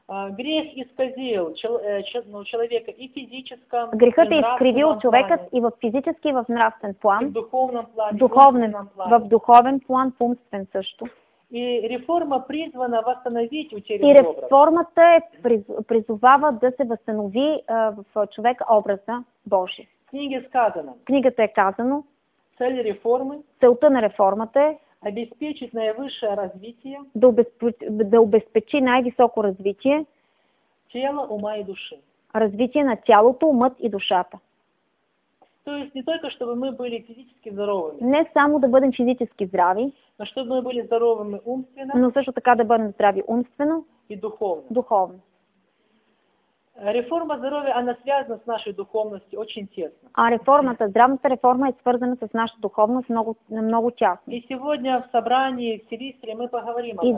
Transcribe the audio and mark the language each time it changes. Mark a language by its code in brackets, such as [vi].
[ru] Грех исказил человека и физическом, и нравственном. [bg] Грехът е изкривил човека и в физически, и в нравствен план. [ru] И в духовном плане. [bg] В духовен план, умствен също. [ru] И реформа призвана възстановить утерянный [bg] образ. И реформата призовава да се възстанови в човека образа Божий. [ru] В книге сказано. [bg] Книгата е казано. [ru] Цель реформы. [bg] Целта на реформата е. [ru] Обеспечить наивысшее развитие. [bg] Да обеспечи най-високо развитие. [ru] Тело, ума и души. [bg] Развитие на тялото, умът и душата. [ru] То есть не только чтобы мы были физически здоровыми. [bg] Не само да бъдем физически здрави. [ru] Но чтобы мы были здоровыми умственно. [bg] Но също така да бъдем здрави умствено. [ru] И духовно. [bg] Духовно. [ru] Реформа здоровья, она связана с нашей духовностью очень тесно. [bg] А реформата, здравната реформа е свързана с наша духовност много, много тясно. [ru] И сегодня в собрании в Силистре мы поговорим об этом.